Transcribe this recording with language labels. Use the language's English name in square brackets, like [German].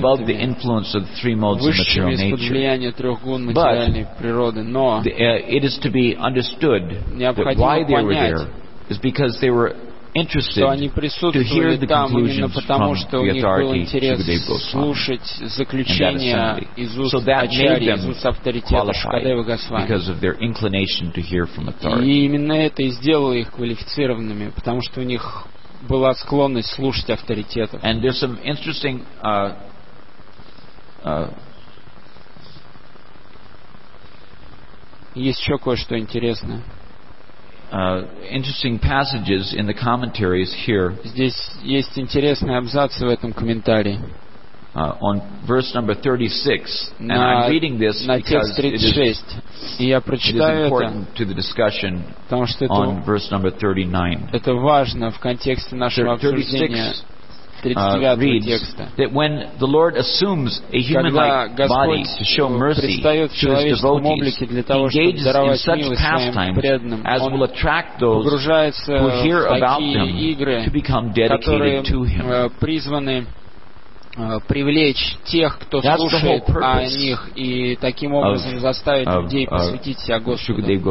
[English] above the influence of the three modes of material nature. [Russian] Высшими из-под влияния трех гун материальной природы. Но [English] it is to be understood that why they were there is because they were interested to hear the conclusions from the authority of Shukadeva Goswami. [Russian] Что они присутствовали там именно потому, что у них был интерес слушать заключения из уст ачарьи, из уст авторитета Шукадевы Госвами. [English] Because of their inclination to hear from authority. [Russian] И именно это и сделало их квалифицированными, потому что у них была склонность слушать авторитетов. [English] And there's some interesting [Russian] есть еще кое-что интересное. [English] Interesting passages in the commentaries here. [Russian] Здесь есть интересные абзацы в этом комментарии. [English] On verse number 36, and I'm reading this because it is important to the discussion on verse number 39. [Russian] Это важно в контексте нашего обсуждения 39-го текста. [English] That when the Lord assumes a human-like body to show mercy to his devotees, he engages in such pastimes as will attract those who hear about them to become dedicated to him. [Russian] Привлечь тех, кто [English] That's [Russian] слушает о них, и таким образом заставить людей посвятить себя Господу.